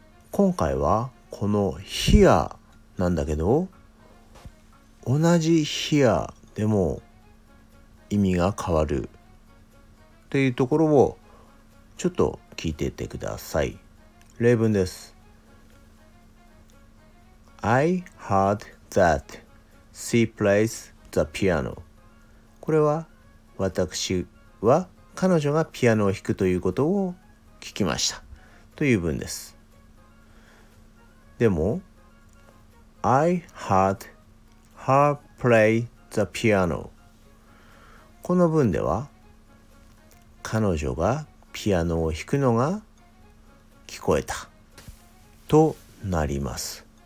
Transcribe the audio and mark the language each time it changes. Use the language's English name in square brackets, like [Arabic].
[Japanese] 今回はこの hear なんだけど、同じ hear でも意味が変わるっていうところをちょっと聞いててください。例文です。 [English] I heard that she plays the piano。 [Japanese] これは私は彼女がピアノを弾くということを聞きましたという文です。でも [English] I heard her play the piano、 [Japanese] この文では彼女がピアノを弾くのが聞こえたとなります。